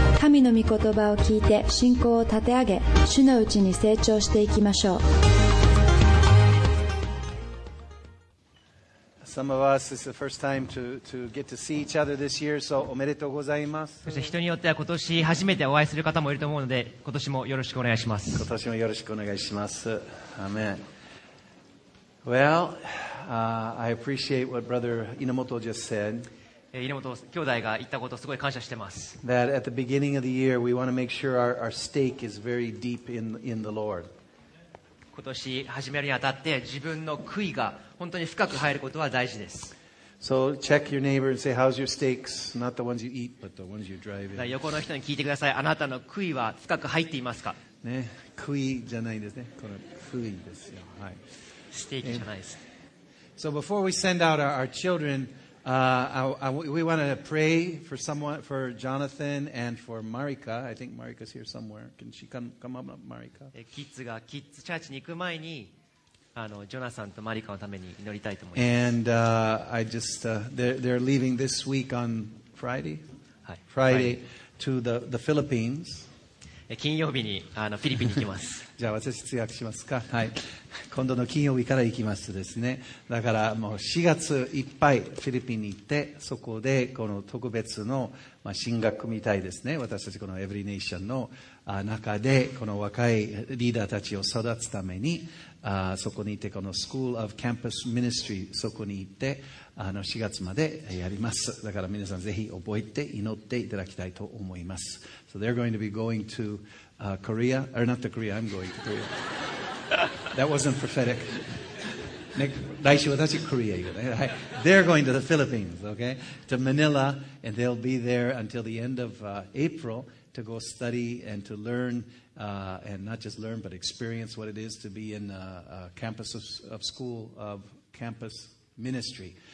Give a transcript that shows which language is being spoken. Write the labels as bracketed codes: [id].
[ja] 神の御言葉を聞いて信仰を立て上げ、主のうちに成長していきましょう。 [en] Some of us, it's the first time to get to see each other this year, so [ja] おめでとうございます。そして人によっては今年初めてお会いする方もいると思うので、今年もよろしくお願いします。今年もよろしくお願いします。 [en] Amen. Well, I appreciate what Brother Inamoto just said. [ja] 猪本兄弟が言ったことをすごい感謝しています。 year, our 今年始めるにあたって自分の悔いが本当に深く入ることは大事です。 [en] So check your neighbor and say, how's your steaks? Not the ones you eat, but the ones you drive in. [ja] 横の人に聞いてください。あなたの悔いは深く入っていますか？ね、悔いじゃないですね。この悔いですよ。はい。ステーキじゃないです。 [en] And, so before we send out our childrenWe want to pray for someone, for Jonathan and for Marika. I think Marika's here somewhere. Can she come up, Marika? [ja] Kids がキッズチャーチに行く前に、ジョナサンとマリカのために祈りたいと思います。 [en] And I just they're leaving this week on Friday. [ja] はい。 [en] Friday to the Philippines. [ja] 金曜日にフィリピンに行きます。じゃあ私通訳しますか。はい。今度の金曜日から行きますですね。だからもう4月いっぱいフィリピンに行って、そこでこの特別の、まあ、進学みたいですね。私たちこのエブリネーションの中で、この若いリーダーたちを育つために、そこに行って、このスクールオブキャンパスミニストリー、そこに行って、4月までやります。だから皆さんぜひ覚えて祈っていただきたいと思います。 [en] So they're going to be going to Korea, or not to Korea, I'm going to Korea. That wasn't prophetic. [ja] 来週私 Korea 行くね。はい。 [en] They're going to the Philippines, okay? To Manila, and they'll be there until the end of April to go study and to learn, and not just learn, but experience what it is to be in a campus of school, of campus ministry.